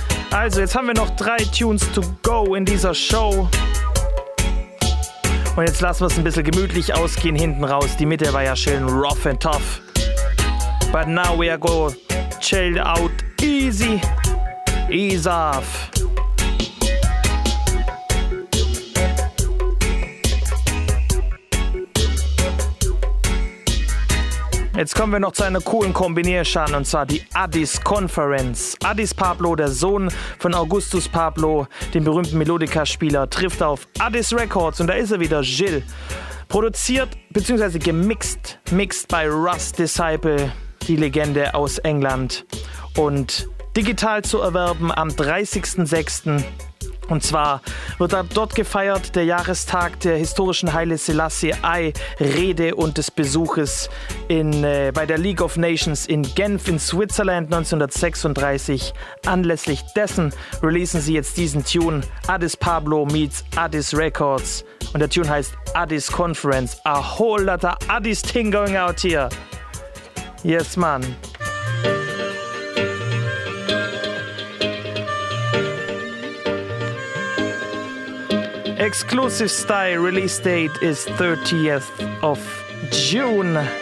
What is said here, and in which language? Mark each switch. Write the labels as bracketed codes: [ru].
[de] Also, jetzt haben wir noch drei Tunes [en] to go [de] in dieser Show. Und jetzt lassen wir es ein bisschen gemütlich ausgehen hinten raus. Die Mitte war ja schön [en] rough and tough. But now we are go chill out easy. Ease off. [de] Jetzt kommen wir noch zu einer coolen Kombinierschan, und zwar die Addis Conference. Addis Pablo, der Sohn von Augustus Pablo, dem berühmten Melodica-Spieler, trifft auf Addis Records, und da ist er wieder, Jill. Produziert bzw. gemixt bei Russ Disciple, die Legende aus England. Und digital zu erwerben am 30.06. Und zwar wird dort gefeiert der Jahrestag der historischen Haile Selassie I Rede und des Besuches bei der League of Nations in Genf in Switzerland 1936. Anlässlich dessen releasen sie jetzt diesen Tune Addis Pablo meets Addis Records. Und der Tune heißt Addis Conference. [en] A whole lot of Addis thing going out here. Yes, man. Exclusive style release date is 30th of June.